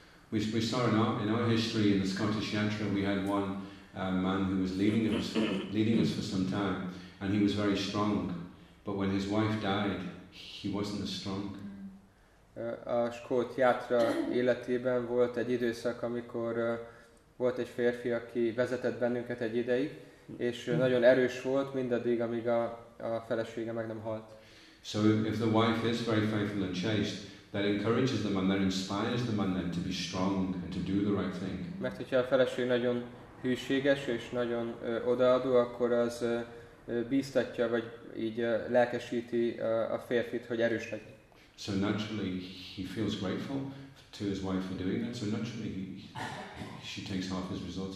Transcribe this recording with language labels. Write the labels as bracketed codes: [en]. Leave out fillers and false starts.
[en] We saw in our history in the Scottish Yantra, we had one man who was leading us for some time, and he was very strong. But when his wife died, he wasn't as strong. [hu] A skót játra életében volt egy időszak, amikor volt egy férfi, aki vezetett bennünket egy ideig, és nagyon erős volt mindaddig, amíg a felesége meg nem halt. [en] So if the wife is very faithful and chaste, that encourages the man, that inspires the man then to be strong and to do the right thing. [hu] Mert hogyha a feleség nagyon hűséges és nagyon odaadó, akkor az bíztatja, vagy így lelkesíti a férfit, hogy erős legyen. [en] So naturally he feels grateful to his wife for doing that. So naturally she takes half his results.